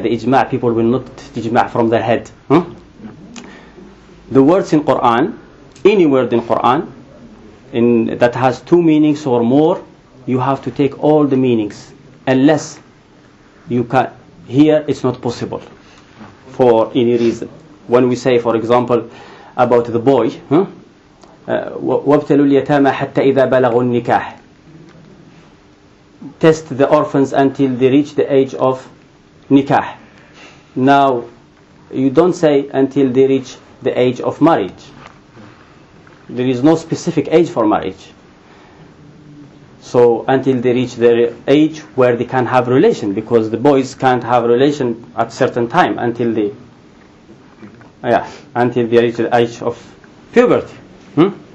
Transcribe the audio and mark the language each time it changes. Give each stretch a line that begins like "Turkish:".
English: The ijma', people will not ijma' from their head. The words in Quran, any word in Quran that has two meanings or more, you have to take all the meanings. Unless you can, here it's not possible. For any reason. When we say, for example, about the boy, huh?
Arabic: وابتلوا اليتامى حتى إذا بلغوا النكاح.
English: Test the orphans until they reach the age of nikah. Now, you don't say until they reach the age of marriage. There is no specific age for marriage. So until they reach the age where they can have relation, because the boys can't have relation at certain time until they, until they reach the age of puberty. Hmm?